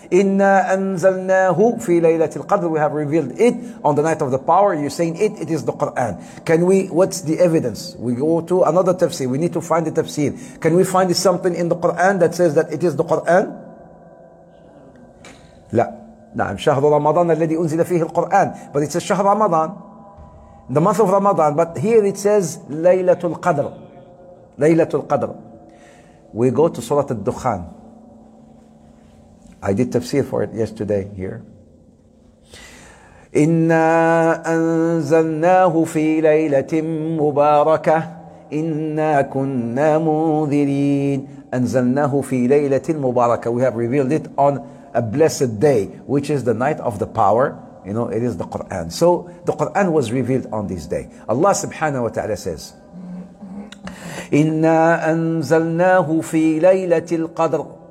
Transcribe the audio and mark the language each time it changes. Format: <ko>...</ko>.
<ar>Inna anzalnahu fi laylatil qadr.</ar> <en>We have revealed it on the night of the power. You're saying it is the Quran. Can we, what's the evidence? We go to another tafsir. We need to find the tafsir. Can we find something in the Quran that says that it is the Quran?</en> <ar>La. نعم شهر رمضان الذي أنزل فيه القرآن</ar> <en>but it says</en> <ar>شهر رمضان</ar> <en>the month of Ramadan but here it says</en> <ar>ليلة القدر ليلة القدر</ar> <en>we go to</en> <ar>سورة الدخان</ar> <en>I did tafsir for it yesterday here.</en> <ar>إنا أنزلناه في ليلة مباركة إنا كنا منذرين. أنزلناه في ليلة مباركة.</ar> <en>We have revealed it on a blessed day, which is the night of the power. You know, it is the Quran. So the Quran was revealed on this day.</en> <ar>Allah subhanahu wa ta'ala says, إنا أنزلناه في ليلة القدر.</ar>